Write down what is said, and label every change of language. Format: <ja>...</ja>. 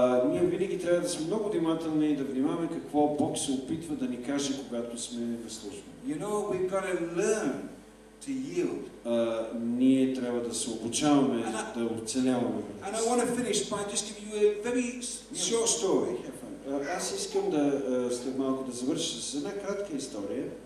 <bg>Ние винаги трябва да сме много внимателни и да внимаваме какво Бог се опитва да ни каже, когато сме в служба.</bg> <en>You know, we've got to learn to yield.</en> <bg>Ние трябва да се обучаваме да оцеляваме.</bg> <en>And I want to finish by just giving you a very short story.</en> <bg>Аз искам да след малко да завърша с една кратка история.</bg>